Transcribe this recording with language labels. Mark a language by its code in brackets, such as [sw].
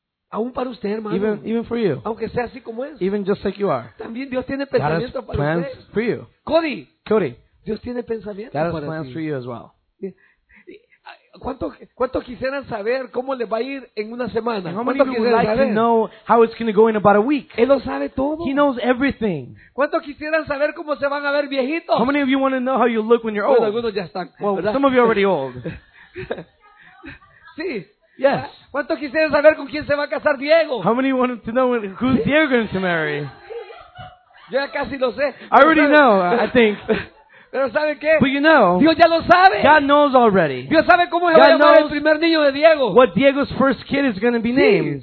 [es] Aún para usted, hermano. [en] Even for you. [es] Aunque sea así como es. [en] Even just like you are. [es] También Dios tiene pensamientos para usted. [en] Plans for you. [es] Cody. Dios tiene pensamientos para ti. [en] God has plans for you as well. [es] ¿Cuánto quisieran saber cómo le va a ir en una semana? [en] How many would like to know how it's going to go in about a week? [es] Él lo sabe todo. [en] He knows everything. [es] ¿Cuánto quisieran saber cómo se van a ver viejitos? [en] How many of you want to know how you look when you're old? [es] Bueno, algunos ya están. [en] Well, [es] ¿verdad? [en] Some of you are already old. [es] Sí. [en] Yes. [es] ¿Cuánto quisieran saber con quién se va a casar Diego? [en] How many want to know who's Diego going to marry? [es] Yo ya casi lo sé. [en] I already know, I think. [es] Pero ¿sabe qué? [en] But you know, [es] Dios ya lo sabe. [en] God knows already. [es] Dios sabe cómo se va a llamar el primer niño de Diego. [en] What Diego's first kid is going to be named.